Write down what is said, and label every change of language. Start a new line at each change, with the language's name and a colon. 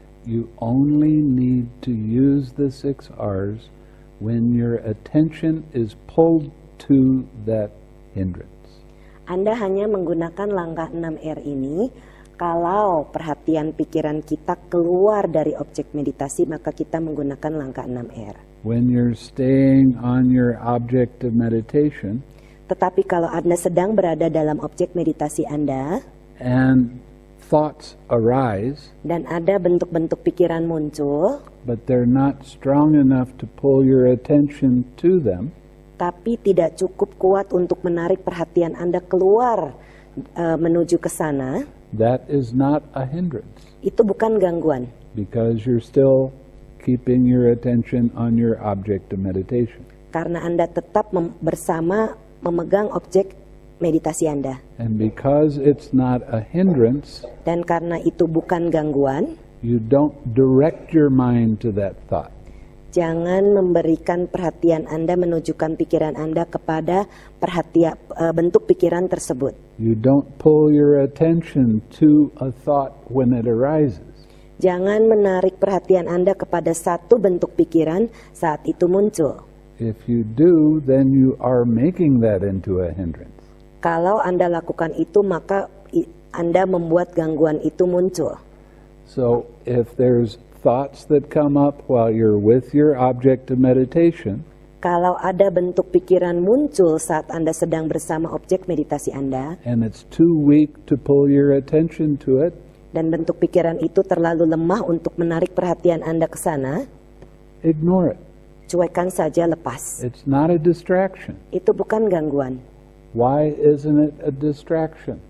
English: You only need to use the 6 R's when your attention is pulled to that hindrance.
Indonesian: Anda hanya menggunakan langkah 6 R ini kalau perhatian pikiran kita keluar dari objek meditasi, maka kita menggunakan langkah 6 R.
English: When you're staying on your object of meditation.
Indonesian: Tetapi kalau Anda sedang berada dalam objek meditasi Anda,
English: and thoughts arise,
Indonesian: dan ada bentuk-bentuk pikiran muncul,
English: but they're not strong enough to pull your attention to them,
Indonesian: tapi tidak cukup kuat untuk menarik perhatian Anda keluar menuju ke sana,
English: that is not a hindrance.
Indonesian: Itu bukan gangguan.
English: Because you're still keeping your attention on your object of meditation.
Indonesian: Karena Anda tetap bersama memegang objek meditasi Anda.
English: And because it's not a hindrance,
Indonesian: dan karena itu bukan gangguan,
English: you don't direct your mind to that thought.
Indonesian: Jangan memberikan perhatian Anda, menunjukkan pikiran Anda kepada perhatian bentuk pikiran tersebut.
English: You don't pull your attention to a thought when it arises.
Indonesian: Jangan menarik perhatian Anda kepada satu bentuk pikiran saat itu muncul.
English: If you do, then you are making that into a hindrance.
Indonesian: Kalau Anda lakukan itu, maka Anda membuat gangguan itu muncul.
English: So, if there's thoughts that come up while you're with your object of meditation,
Indonesian: kalau ada bentuk pikiran muncul saat Anda sedang bersama objek meditasi Anda,
English: and it's too weak to pull your attention to it,
Indonesian: dan bentuk pikiran itu terlalu lemah untuk menarik perhatian Anda ke sana,
English: ignore it.
Indonesian: Cuekkan saja, lepas.
English: It's not a distraction.
Indonesian: Itu bukan gangguan.
English: Why isn't it a distraction?